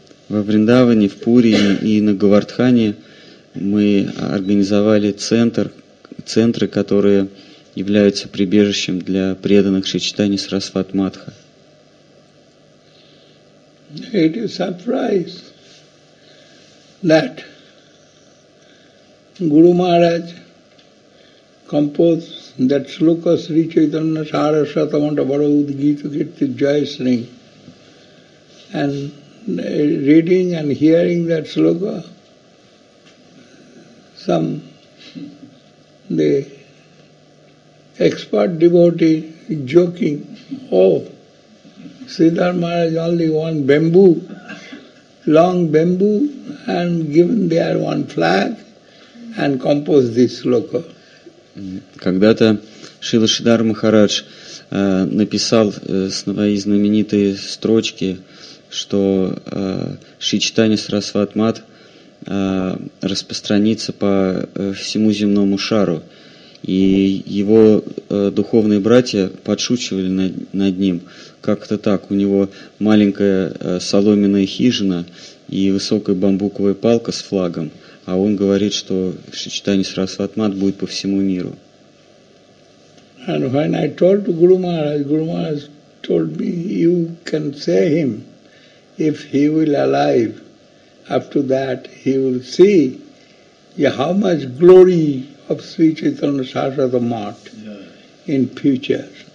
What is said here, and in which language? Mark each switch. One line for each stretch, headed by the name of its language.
Russian: Во Вриндаване, в Пури и на Говардхане мы организовали центры, которые являются прибежищем для преданных Шри Чайтаньи Сарасвати Матха.
English: It is a surprise that Guru Maharaj composed that sloka Sri Chaitanya Sarasvati Matha Bharavud Gita Kirti Jayasring. And reading and hearing that sloka, the expert devotee joking, oh, Sridhar Maharaj only one bamboo, long bamboo, and given there one flag, and composed this sloka.
Russian: Когда-то Шрила Шридхар Махарадж написал свои знаменитые строчки, что Шри Чайтанья Сарасвати Мат распространится по всему земному шару. И его духовные братья подшучивали над ним. Как-то так, у него маленькая соломенная хижина и высокая бамбуковая палка с флагом, а он говорит, что Шри Чайтанья Сарасвати Мат будет по всему миру.
English: And when I told Guru Maharaj, Guru Maharaj told me, you can say him, if he will alive, after that he will see yeah, how much glory of Sri Chaitanya Sarasvati Mart in future.